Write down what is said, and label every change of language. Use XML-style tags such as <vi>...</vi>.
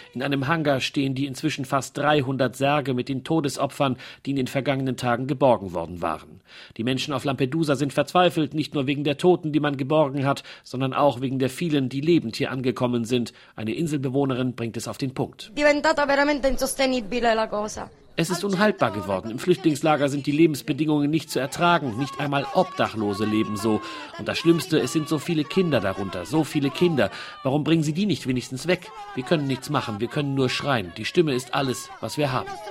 <de>In einem Hangar stehen die inzwischen fast 300 Särge mit den Todesopfern, die in den vergangenen Tagen geborgen worden waren. Die Menschen auf Lampedusa sind verzweifelt, nicht nur wegen der Toten, die man geborgen hat, sondern auch wegen der vielen, die lebend hier angekommen sind. Eine Inselbewohnerin bringt es auf den Punkt.</de> <it>Diventata veramente insostenibile la cosa.</it> <de>Es ist unhaltbar geworden. Im Flüchtlingslager sind die Lebensbedingungen nicht zu ertragen. Nicht einmal Obdachlose leben so. Und das Schlimmste, es sind so viele Kinder darunter. So viele Kinder. Warum bringen sie die nicht wenigstens weg? Wir können nichts machen. Wir können nur schreien. Die Stimme ist alles, was wir haben.</de>